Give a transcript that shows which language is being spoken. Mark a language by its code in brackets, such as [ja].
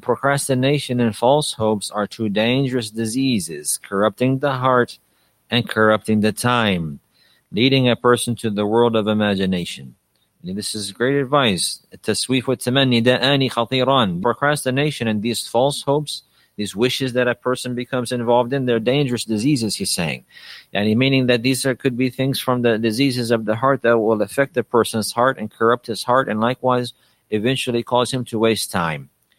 [en] Procrastination and false hopes are two dangerous diseases, corrupting the heart and corrupting the time, leading a person to the world of imagination. And this is great advice. [ar] التَّسْوِيفُ وَالتَّمَنِّي دَآنِي خَطِيرَانِ. [en] Procrastination and these false hopes, these wishes that a person becomes involved in, they're dangerous diseases, he's saying. And meaning that these could be things from the diseases of the heart that will affect the person's heart and corrupt his heart, and likewise eventually cause him to waste time.